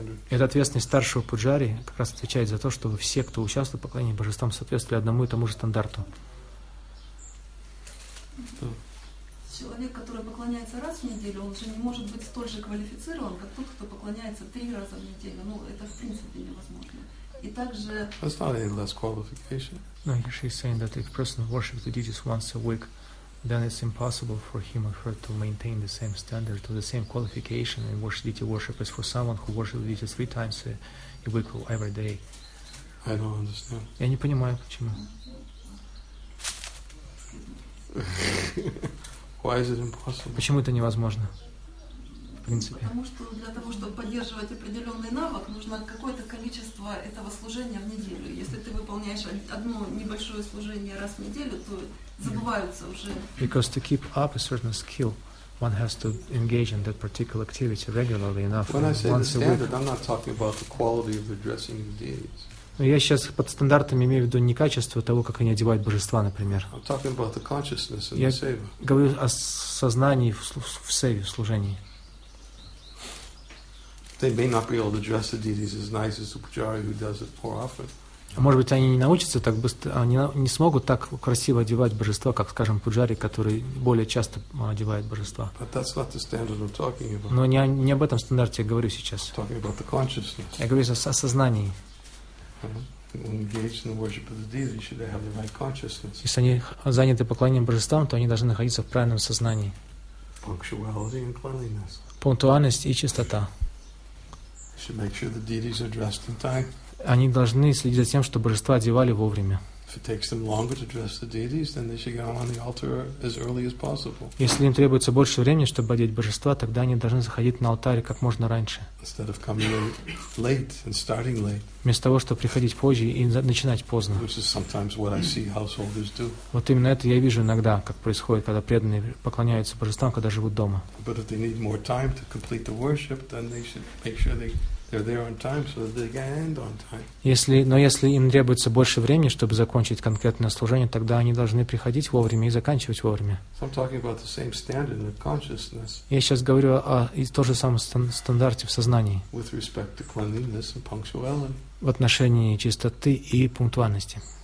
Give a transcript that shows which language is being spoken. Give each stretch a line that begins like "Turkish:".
Russian: Это ответственность старшего пуджари как раз отвечает за то, чтобы все, кто участвует в поклонении божествам, соответствовали одному и тому же стандарту. Человек, который поклоняется раз в неделю, он же не может быть столь же квалифицирован, как тот, кто поклоняется 3 раза в неделю. Ну, это в принципе невозможно.
English: That's not a less qualification. No, she's saying that if a person worships the deities once a week, then it's impossible for him or her to maintain the same standard or the same qualification in worship deity worship as for someone who worships deity three times a week or every day. I don't understand.
Russian: Я не понимаю, почему.
English: Why is it impossible?
Russian: Почему это невозможно? Потому что для того, чтобы поддерживать определенный навык, нужно какое-то количество этого служения в неделю. Если ты выполняешь одно небольшое служение раз в неделю, то забываются уже.
English: Because to keep up a certain skill, one has to engage in that particular activity regularly enough. When I say the standard, I'm not talking about the quality of addressing the deities.
Russian: Но я сейчас под стандартами имею в виду не качество того, как они одевают божества, например. Я говорю о сознании в сейве, в служении.
English: They may not be able to dress the deities as nice as the pujari who does it more often.
Russian: Может быть, они не научатся так быстро, они не смогут так красиво одевать божества, как, скажем, пуджари, который более часто одевает божества.
English: But that's not the standard I'm talking about.
Russian: Но не об этом стандарте я говорю сейчас.
English: I'm talking about the consciousness.
Russian: Я говорю о сознании.
English: Engaged in the worship of the deities, should they have the right consciousness?
Russian: Если они заняты поклонением божествам, то они должны находиться в правильном сознании.
English: Punctuality and cleanliness.
Russian: Пунктуальность и чистота.
English: Should make sure the deities are dressed in time.
Russian: Они должны следить за тем, чтобы божества одевали вовремя.
English: If it takes them longer to dress the deities, then they should go on the altar as early as possible.
Russian: Если им требуется больше времени, чтобы одеть божества, тогда они должны заходить на алтарь как можно раньше.
English: Instead of coming late and starting late.
Russian: Вместо того, чтобы приходить позже и начинать поздно.
English: Which is sometimes what I see householders do.
Russian: Вот именно это я вижу иногда, как происходит, когда преданные поклоняются божествам, когда живут дома.
English: But if they need more time to complete the worship, then they should make sure they. They're there on time, so they can end on time.
Russian: Если им требуется больше времени, чтобы закончить конкретное служение, тогда они должны приходить вовремя и заканчивать вовремя.
English: So I'm talking about the same standard of consciousness.
Russian: Я сейчас говорю о том же самом стандарте в сознании.
English: With respect to cleanliness and punctuality.
Russian: В отношении чистоты и пунктуальности.